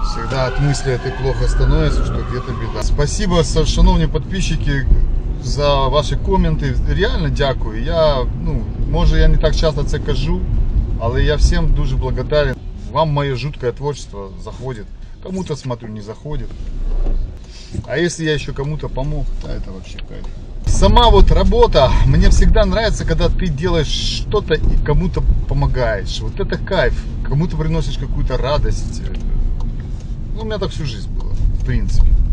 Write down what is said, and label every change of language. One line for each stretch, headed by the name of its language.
Russian: Да, от мысли этой плохо становится, что где-то беда. Спасибо, шановні подписчики, за ваши комменты.
Ukrainian: Реально дякую. Я, ну, може, я не так часто це кажу, але я всем дуже благодарен.
Russian: Вам моє жуткое творчество заходит. Кому-то, смотрю, не заходит. А если я еще кому-то помог, то это вообще кайф. Сама вот работа, мне всегда нравится, когда ты делаешь что-то и кому-то помогаешь. Вот это кайф. Кому-то приносишь какую-то радость. Ну, у меня так всю жизнь было, в принципе.